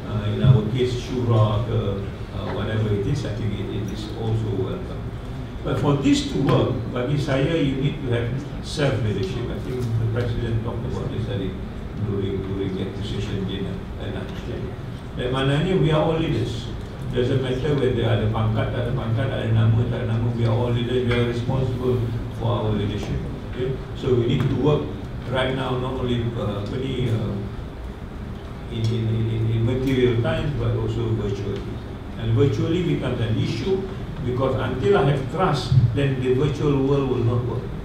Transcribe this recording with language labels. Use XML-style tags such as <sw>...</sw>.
<en>In our case, shurak, whatever it is, I think it is also welcome. But for this to work,</en> <ms>bagi saya,</ms> <en>you need to have self-leadership. I think the president talked about this during the acquisition dinner. And I understand. That maknanya, we are all leaders. Doesn't matter whether</en> <ms>ada pangkat, tak ada pangkat, ada nama, tak ada nama.</ms> <en>We are all leaders. We are responsible for our leadership. Okay? So we need to work right now, not only in material times, but also virtually. And virtually becomes an issue. Because until I have trust, then the virtual world will not work.</en>